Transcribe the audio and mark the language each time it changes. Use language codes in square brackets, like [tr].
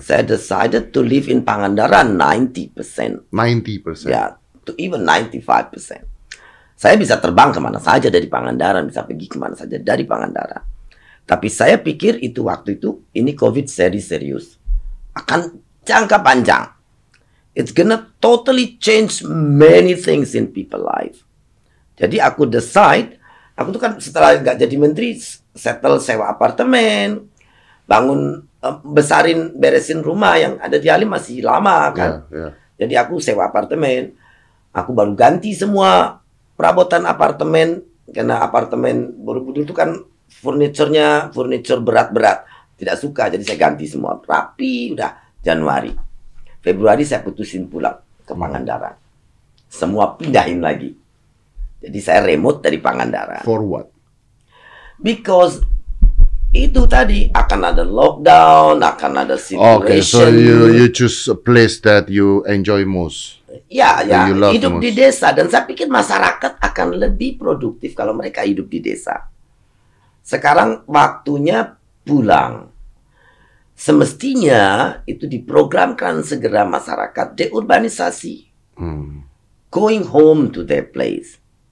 [id] Saya [en] decided to live in Pangandaran 90%. 90%. Yeah, to even 95%. [id] Saya bisa terbang kemana saja dari Pangandaran, bisa pergi kemana saja dari Pangandaran. Tapi saya pikir itu waktu itu ini COVID serius, akan jangka panjang. [en] It's gonna totally change many things in people life. [id] Jadi aku [en] decide, [id] aku tuh kan setelah nggak jadi menteri, [en] settle [id] sewa apartemen, bangun, besarin, beresin rumah yang ada di Halim masih lama kan. [en] Yeah, yeah. [id] Jadi aku sewa apartemen, aku baru ganti semua perabotan apartemen, karena apartemen Borobudur itu kan furniturnya, furniture berat-berat, tidak suka, jadi saya ganti semua, rapi, udah Januari. Februari saya putusin pulang ke Pangandaran, semua pindahin lagi. Jadi saya remote dari Pangandaran. [en] For what? Because [id] itu tadi akan ada lockdown, akan ada [en] situation. Okay, so you choose a place that you enjoy most. Yeah. [id] Hidup [en] most. [id] Di desa dan saya pikir masyarakat akan lebih produktif kalau mereka hidup di desa. Sekarang waktunya pulang. Semestinya itu diprogramkan segera masyarakat deurbanisasi, [en] going home to their place.